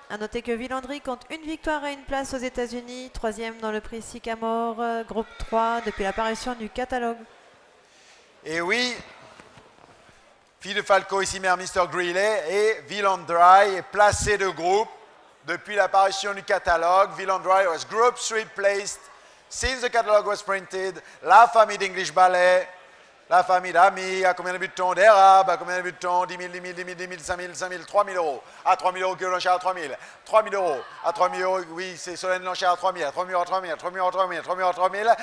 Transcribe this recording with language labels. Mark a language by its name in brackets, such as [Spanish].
[French] A noter que Villandry compte une victoire et une place aux États-Unis, troisième dans le prix Sycamore, groupe 3, depuis l'apparition du catalogue. Et oui, fille de Falco, ici mère Mr. Greeley, et Villandry est placé de groupe depuis l'apparition du catalogue. [English] Villandry was group 3 placed. Since the catalogue was printed, [French] la famille d'English Ballet, la famille d'Ami, à combien de buts de d'Érable, à combien de buts de 10 000, 5 000, 3 000 euros. À 3 000 euros, que l'enchère à 3 000. 3 000 euros, à 3 000 euros, oui, c'est Solène l'enchère à 3 000. À 3 000, à 3 000, à 3 000, à 3 000, à 3 000, à 3 000.